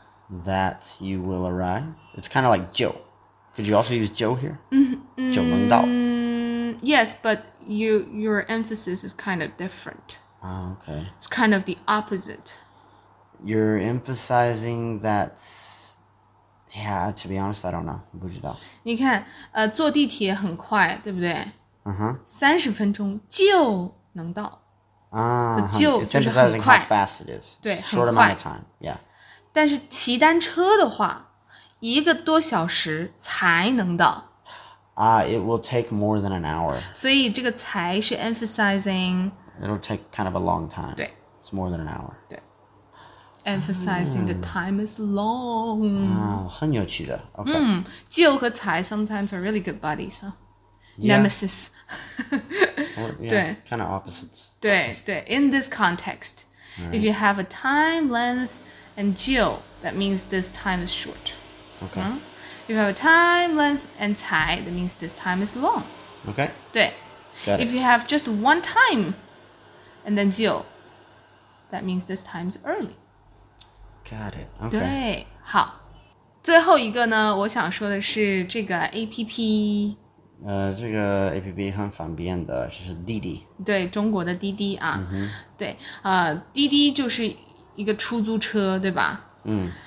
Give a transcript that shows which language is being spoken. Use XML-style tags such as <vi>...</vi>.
<en>That you will arrive. It's kind of like 就.Could you also use 就 here?</en> <zh>就能到。</zh> <en>Yes, but your emphasis is kind of different. Oh, okay. It's kind of the opposite. You're emphasizing that, yeah, to be honest, I don't know,</en> <zh>不知道。你看，坐地铁很快，对不对？ 30 分钟就能到。就是很快。</zh> <en>It's emphasizing how fast it is.</en> <zh>对，很快。</zh> <en>Short amount of time, yeah.</en> <zh>但是骑单车的话，一个多小时才能到。</zh> <en>It will take more than an hour.</en> <zh>所以这个才是</zh> <en>emphasizing... It'll take kind of a long time.</en> <zh>对。</zh> <en>It's more than an hour. 对。Emphasizing the time is long.</en> <zh>很有趣的。Okay.</zh> <en>就和才 sometimes are really good buddies, huh? Yeah. Nemesis. Or, yeah,</en> <zh>对。</zh> <en>Kind of opposites.</en> <zh>对对</zh> <en>In this context,、 right. if you have a time length and 就, that means this time is short. Okay.、 You have time, length, and 才, that means this time is long. Okay.</en> <zh>对。</zh> <en>If you have just one time, and then 就, that means this time is early. Got it. Okay.</en> <zh>对。好。最后一个呢，我想说的是这个 APP。这个 APP 很方便的，就是滴滴。对，中国的滴滴啊。嗯、对，滴滴就是一个出租车，对吧？嗯。</zh>